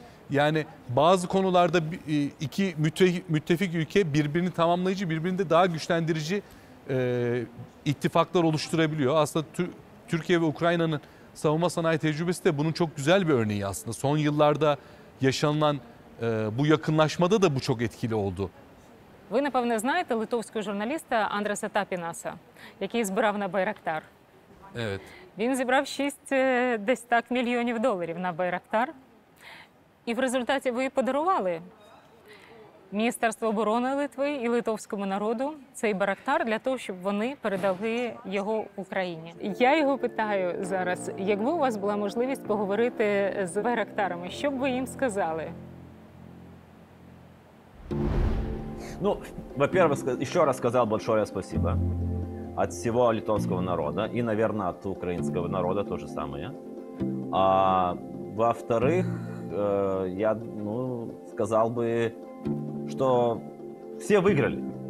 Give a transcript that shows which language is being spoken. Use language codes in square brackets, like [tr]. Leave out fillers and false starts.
[tr] Yani bazı konularda iki müttefik ülke birbirini tamamlayıcı, birbirini de daha güçlendirici ittifaklar oluşturabiliyor. Aslında Türkiye ve Ukrayna'nın savunma sanayi tecrübesi de bunun çok güzel bir örneği aslında. Son yıllarda yaşanılan bu yakınlaşmada da bu çok etkili oldu. [uk] Ви, напевне, знаєте литовського журналіста Андреса Тапінаса, який збирав на Байрактар. [tr] Evet. [uk] Він зібрав 6 десь так мільйонів доларів на Байрактар. І в результаті ви подарували Міністерству оборони Литви і литовському народу цей Байрактар для того, щоб вони передали його Україні. Я його питаю зараз, якби у вас була можливість поговорити з Байрактарами, що б ви їм сказали? [ru] Ну, во-первых, еще раз сказал большое спасибо от всего литовского народа и, наверное, от украинского народа то же самое. А во-вторых, я, ну, сказал бы, что все выиграли.